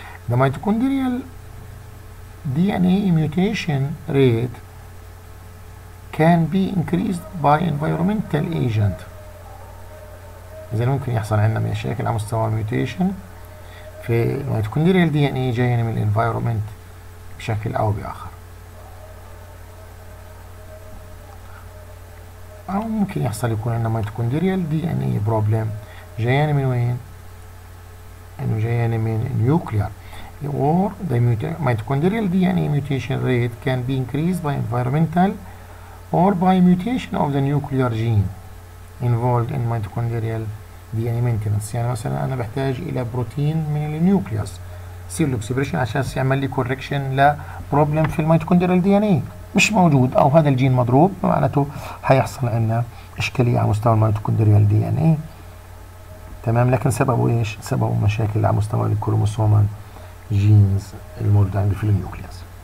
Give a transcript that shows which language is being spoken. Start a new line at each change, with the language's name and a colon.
English: the mitochondrial D N A mutation rate can be increased by environmental agent,
Arabic: اذا ممكن يحصل عندنا مشاكل على مستوى الميوتيشن في الميتوكوندريال دي ان اي جاي من الانفايرمنت بشكل او باخر، او ممكن يحصل يكون عندنا ميتوكوندريال دي ان اي بروبلم جايانه من وين؟ انه جايانه من نيوكليار.
English: Or the mitochondrial DNA mutation rate can be increased by environmental or by mutation of the nuclear gene involved in mitochondrial DNA maintenance.
Arabic: يعني مثلا أنا بحتاج إلى بروتين من النيوكليوس سير لوكسبريشن عشان يعمل لي كوركشن لبروبلم في الميتوكوندريال DNA مش موجود، أو هذا الجين مضروب معناته هيحصل عندنا إشكالية على مستوى الميتوكوندريال DNA تمام، لكن سببه إيش؟ سببه مشاكل على مستوى الكروموسوم جينز الموجودة عندي في النيوكليوس.